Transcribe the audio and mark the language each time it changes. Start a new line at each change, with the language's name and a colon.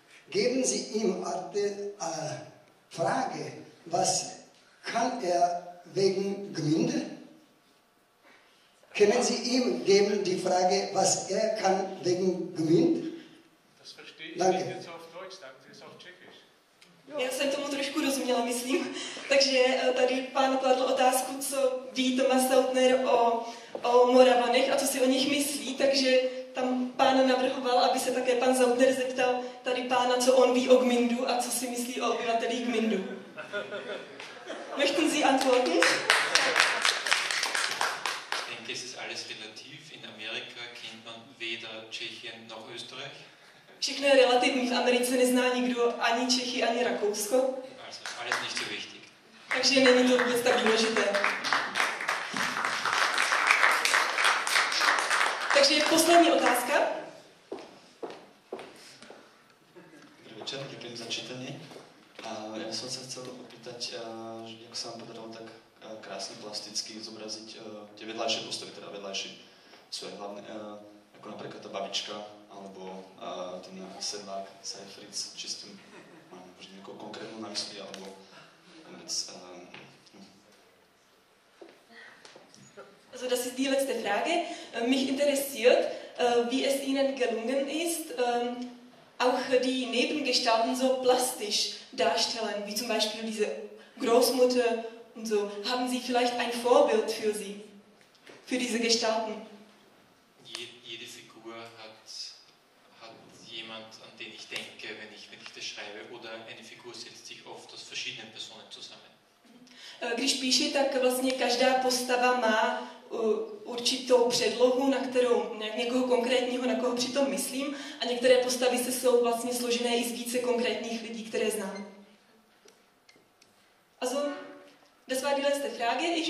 German: Geben Sie ihm eine Frage, was kann er wegen Gmünd? Können Sie ihm geben die Frage, was er kann wegen Gmünd? Das verstehe ich Danke. Nicht jetzt auf Deutsch, sagen Sie es auf Tschechisch. Ja.
Czech: Já jsem tomu trošku rozuměla, myslím. Takže tady pán kladl otázku, co ví Thomas Sautner o Moravanech a co si o nich myslí, takže tam pán navrhoval, aby se také pan Sautner zeptal tady pána, co on ví o Gmindu a co si myslí o obyvatelích Gmindu.
German: Möchten Sie antworten? Ich denke, es ist alles relativ. In Amerika kennt man weder Tschechien noch Österreich.
Czech: Všechno je relativní. V Americe nezná nikdo ani Čechy, ani Rakousko.
German: Also, alles nicht so wichtig.
Czech: Takže není to vůbec tak důležité. Takže poslední otázka. Dobrý večer, děkuji za čtení. Já jsem se chtěl opýtat, jak se vám podarilo tak krásně plasticky zobrazit tě vedlejší postavy, teda vedlejší své hlavní, jako například ta babička, alebo ten sedlák Seyfried s čistým, mám možná nějakou konkrétnu na mysli, alebo konec.
German: Also das ist die letzte Frage. Mich interessiert, wie es Ihnen gelungen ist, auch die Nebengestalten so plastisch darstellen, wie zum Beispiel diese Großmutter und so. Haben Sie vielleicht ein Vorbild für Sie, für diese Gestalten? Jede Figur hat jemand, an den ich denke, wenn ich das schreibe, oder eine Figur setzt sich oft aus verschiedenen Personen zusammen.
Czech: Když píši, tak vlastně každá postava má určitou předlohu, na kterou někoho konkrétního, na koho přitom myslím, a některé postavy se jsou vlastně složené i z více konkrétních lidí, které znám.
German: Also, das war die letzte Frage.